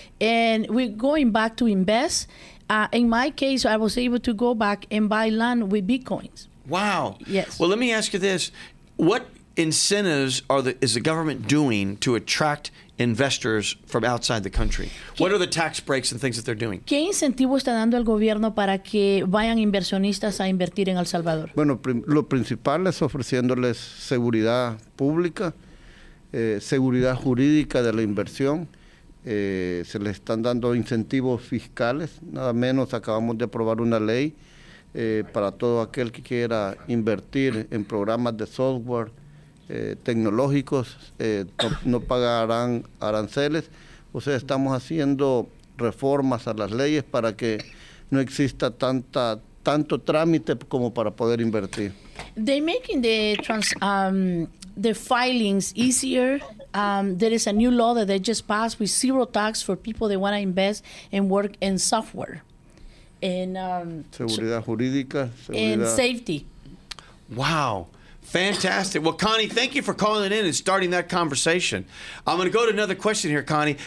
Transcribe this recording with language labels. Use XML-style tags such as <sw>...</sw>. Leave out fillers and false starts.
<en>And we're going back to invest. In my case, I was able to go back and buy land with Bitcoins. Wow. Yes. Well, let me ask you this. What incentives is the government doing to attract investors from outside the country? What are the tax breaks and things that they're doing?</en> <es>¿Qué incentivo está dando el gobierno para que vayan inversionistas a invertir en El Salvador? Bueno, lo principal es ofreciéndoles seguridad pública, seguridad jurídica de la inversión. Se les están dando incentivos fiscales, nada menos acabamos de aprobar una ley para todo aquel que quiera invertir en programas de software tecnológicos, no pagarán aranceles, o sea, estamos haciendo reformas a las leyes para que no exista tanto trámite como para poder invertir.</es> <en>They're making the filings easier. There is a new law that they just passed with zero tax for people that want to invest and work in software. And</en> <es>seguridad jurídica,</es> <en>and safety. Wow. Fantastic. Well, Connie, thank you for calling in and starting that conversation. I'm going to go to another question here, Connie.</en>